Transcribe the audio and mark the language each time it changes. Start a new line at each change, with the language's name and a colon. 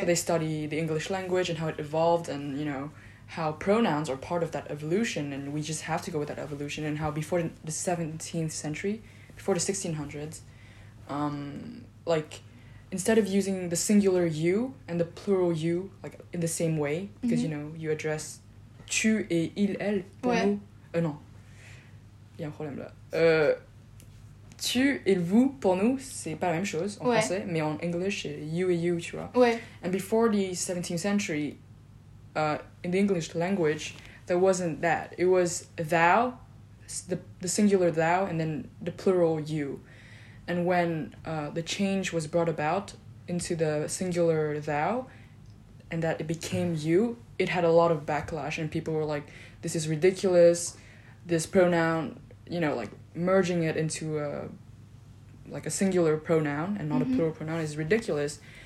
English: So they study the English language and how it evolved and, you know, how pronouns are part of that evolution and we just have to go with that evolution and how before the 17th century, before the 1600s, like, instead of using the singular you and the plural you, like, in the same way, because, you know, you address
French: tu et il, elle, pour nous. Non. Il y a un problème là. Tu et vous, pour nous, c'est pas la même chose en français, mais en English, c'est you et you, tu vois. Ouais.
English: And before the 17th century, in the English language, there wasn't that. It was thou, the singular thou, and then the plural you. And when the change was brought about into the singular thou, and that it became you, it had a lot of backlash, and people were like, this is ridiculous, this pronoun, you know, like, merging it into a, like, a singular pronoun and not a plural pronoun is ridiculous.